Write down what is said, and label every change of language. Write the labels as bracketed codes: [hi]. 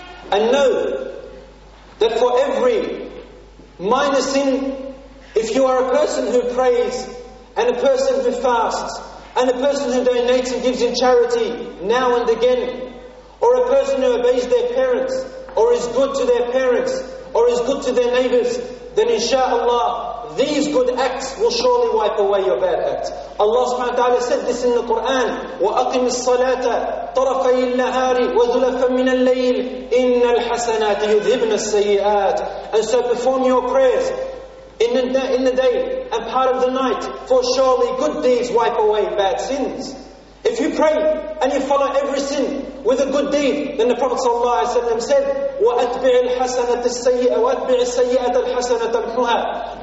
[en] And know that for every minor sin, if you are a person who prays, and a person who fasts, and a person who donates and gives in charity now and again, or a person who obeys their parents, or is good to their parents, or is good to their neighbors, then inshaAllah, these good acts will surely wipe away your bad acts. Allah subhanahu wa ta'ala said this in the Quran, [ar] وَأَقِمِ الصَّلَاةَ طَرَفَي النَّهَارِ وَزُلَفًا مِنَ اللَّيْلِ إِنَّ الْحَسَنَاتِ يُذْهِبْنَ السَّيِّئَاتِ. [en] And so perform your prayers in the day and part of the night, for surely good deeds wipe away bad sins. If you pray and you follow every sin with a good deed, then the Prophet sallallahu alaihi wasallam said, [ar] وَأَتْبِعِ الْحَسَنَةَ السَّيِّئَةَ وَأَتْبِعِ السَّيِّئَةَ الْحَسَنَةَ تَمْحُهَا.